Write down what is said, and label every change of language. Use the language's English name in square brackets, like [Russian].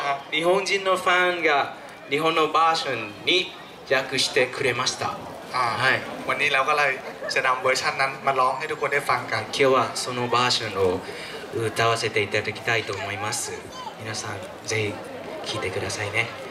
[Japanese] 日本人のファンが日本のバージョンに訳してくれました。はい。 [Thai] วันนี้เราก็เลยจะนำเวอร์ชันนั้นมาร้องให้ทุกคนได้ฟังกัน。 [Japanese] 今日はそのバージョンを歌わせていただきたいと思います。皆さんぜひ聴いてくださいね。